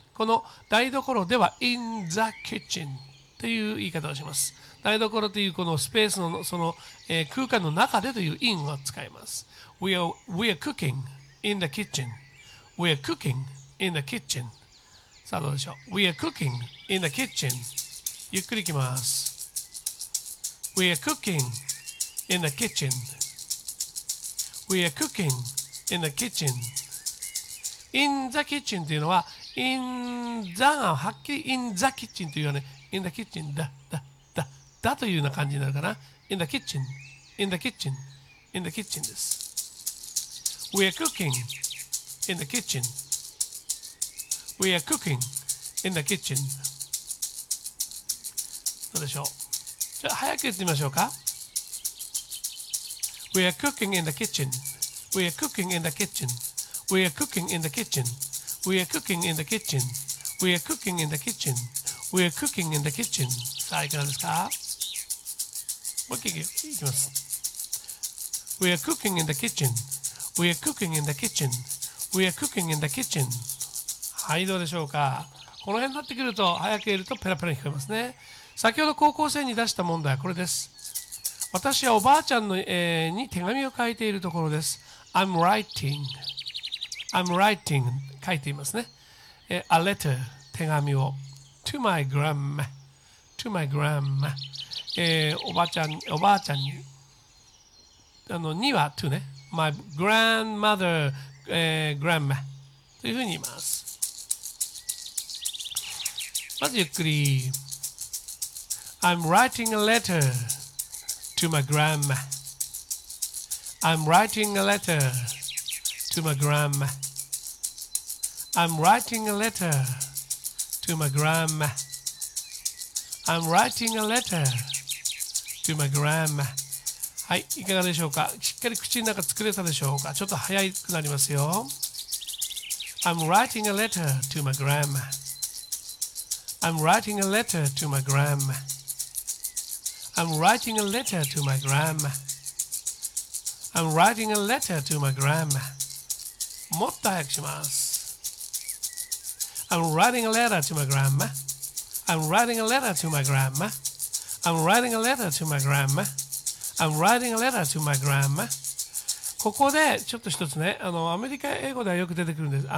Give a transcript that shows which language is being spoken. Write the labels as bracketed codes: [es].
[ja] この台所では [en] In the kitchen [ja] という言い方をします。台所というこのスペースの、その、空間の中でという In を使います。 [en] We are cooking in the kitchen. We are cooking in the kitchen. [ja] さあどうでしょう。 [en] We are cooking in the kitchen. [ja] ゆっくりいきます。 [en] We are cooking in the kitchen. We are cookingin the kitchen. in the kitchen [ja] というのは in the がはっきり in the kitchen というよね。 [en] in the kitchen [ja] だだだだというような感じになるかな。 [en] in the kitchen, in the kitchen, in the kitchen [ja] です。 [en] we are cooking in the kitchen. we are cooking in the kitchen. [ja] どうでしょう。じゃあ早く言ってみましょうか。 [en] we are cooking in the kitchenWe are cooking in the kitchen. We are cooking in the kitchen. We are cooking in the kitchen. We are cooking in the kitchen. We are cooking in the kitchen. [ja] さあ、いかがですか？もう一回いきます。 [en] We are cooking in the kitchen. We are cooking in the kitchen. We are cooking in the kitchen. [ja] はい、どうでしょうか？この辺になってくると、早く言えるとペラペラに聞こえますね。先ほど高校生に出した問題はこれです。私はおばあちゃんの、に手紙を書いているところです。 [en] I'm writing. I'm writing. [ja] 書いていますね。 [en] A letter. [ja] 手紙を。 [en] To my grandma. To my grandma. [ja] おばあちゃんに。あの、には、to ね。 [en] My grandmother, grandma. [ja] というふうに言います。まずゆっくり。 [en] I'm writing a letter to my grandma. I'm writing a letter to my grandma. I'm writing a letter to my grandma. I'm writing a letter to my grandma. [ja] はい、いかがでしょうか。しっかり口の中作れたでしょうか。ちょっと早くなりますよ。 [en] I'm writing a letter to my grandma. I'm writing a letter to my grandma. I'm writing a letter to my grandma. I'm writing a letter to my grandma. [ja] もっと早くします。 [en] I'm writing a letter to my grandma. I'm writing a letter to my grandma. I'm writing a letter to my grandma. I'm writing a letter to my grandma. [ja] ここでちょっと一つね、あのアメリカ英語ではよく出てくるんです。